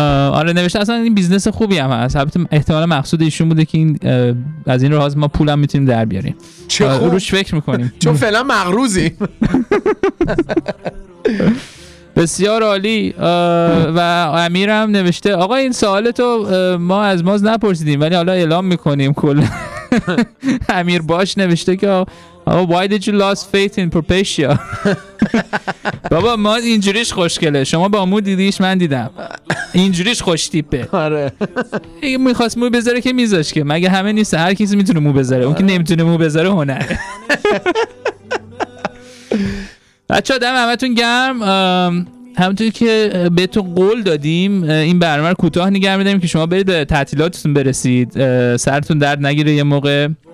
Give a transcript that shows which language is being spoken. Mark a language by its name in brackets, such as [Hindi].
[Persian] آره نوشته اصلا این بیزنس خوبی هم هست. البته احتمال مقصود ایشون بوده که این از این راه ما پولم میتونیم در بیاریم. چه روش فکر میکنیم؟ چون فعلا مغروزیم. بسیار عالی. و امیرم نوشته آقا این سوالتو ما از ماز نپرسیدیم ولی حالا اعلام میکنیم کل. امیر باش نوشته که آقا [English] why did you lost faith in Propecia. [Persian] بابا ما اینجوریش خوشگله، شما با مو دیدیش، من دیدم اینجوریش خوش تیپه. آره اگه میخواست مو بذاره که میذاش، که مگه همه نیست؟ هر کسی میتونه مو بذاره، اون که نمیتونه مو بذاره هنره. بچه ها دم همتون گرم. همونطور که بهتون قول دادیم این برنامه رو کوتاه نگه می‌داریم که شما برید تعطیلاتتون برسید، سرتون درد نگیره یه موقع.